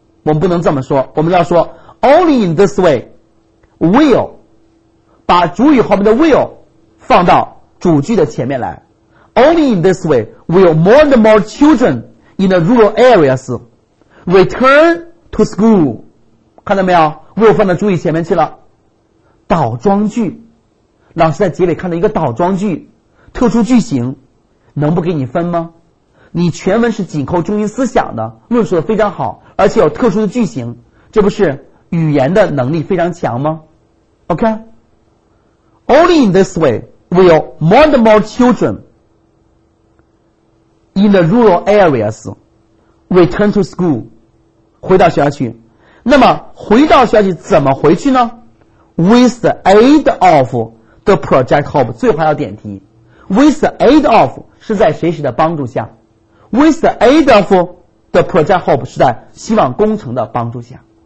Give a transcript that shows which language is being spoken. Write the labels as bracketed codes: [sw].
[zh] 我们不能这么说，我们要说 [en] only in this way, will, [zh] 把主语后面的 will 放到主句的前面来。 [en] Only in this way, will more and more children in the rural areas return to school. [zh] 看到没有？will 放到主语前面去了。倒装句，老师在结尾看到一个倒装句，特殊句型，能不给你分吗？你全文是紧扣中心思想的，论述的非常好，而且有特殊的句型，这不是语言的能力非常强吗？ [en] OK, Only in this way will more and more children in the rural areas return to school, [zh] 回到学校去。那么回到学校去怎么回去呢？ [en] With the aid of the Project Hope, [zh] 最后还要点题。 [en] With the aid of [zh] 是在谁谁的帮助下？ [en] With the aid of the Project Hope [zh] 是在希望工程的帮助下。